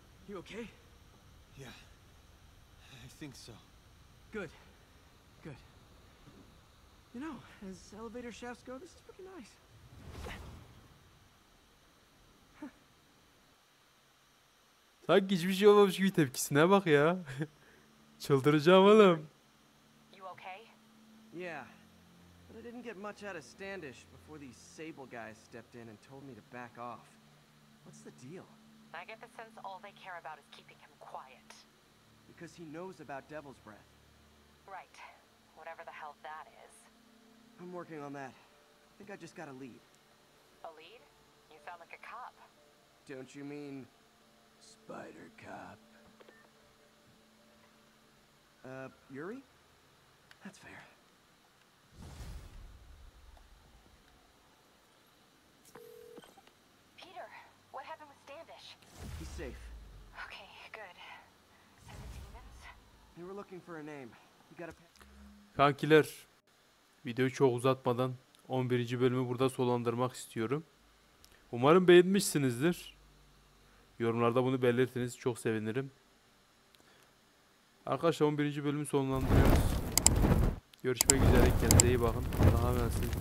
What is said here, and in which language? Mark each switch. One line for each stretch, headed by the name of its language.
English: Okay? Yeah. I think so. Good. Good. You know, as elevator shafts go, this is pretty nice.
Turkish: Hangi hiçbir şey olmamış gibi tepkisine bak ya. Çıldıracağım oğlum.
English: You okay? Yeah. But I didn't get much out of Standish before these Sable guys stepped in and told me to back off. What's the deal? I get the sense all they care about is keeping him quiet. Because he knows about Devil's Breath. Right. Whatever the hell that is. I'm working on that. I think I just got a lead. A lead? You sound like a cop. Don't you mean Spider Cop? Yuri? That's fair. Peter, what happened with Standish? He's safe. Okay, good. Seven demons? They were looking for a name. You got a pick.
Turkish: Kankiler, videoyu çok uzatmadan 11. bölümü burada sonlandırmak istiyorum. Umarım beğenmişsinizdir. Yorumlarda bunu belirtiniz, çok sevinirim. Arkadaşlar 11. bölümü sonlandırıyoruz. Görüşmek üzere, kendinize iyi bakın. Daha önemlisiniz.